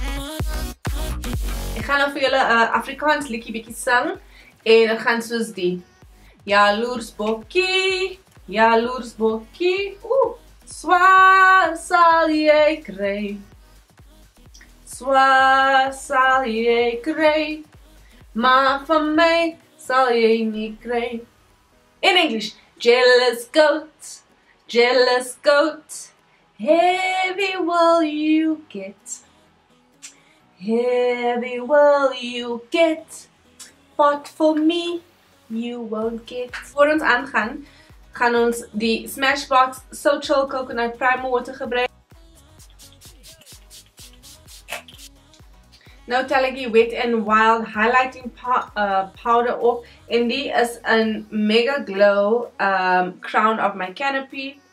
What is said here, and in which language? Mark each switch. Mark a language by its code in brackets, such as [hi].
[af] Ek gaan nou vir julle Afrikaans liedjie bietjie sing en ek gaan soos die Jaloers bokkie, jaloers bokkie, swaar sal jy kry, swaar sal jy kry, maar van my sal jy nie kry. In Engels, [en] jealous goat, jealous goat, heavy will you get. Heavy will you get, but for me, you won't get. [af] Voor ons aangaan, gaan ons die Smashbox So Chill Coconut Primer Water gebruik. Nou tel ek die Wet n Wild Highlighting Powder op en die is in Mega Glow Crown of My Canopy.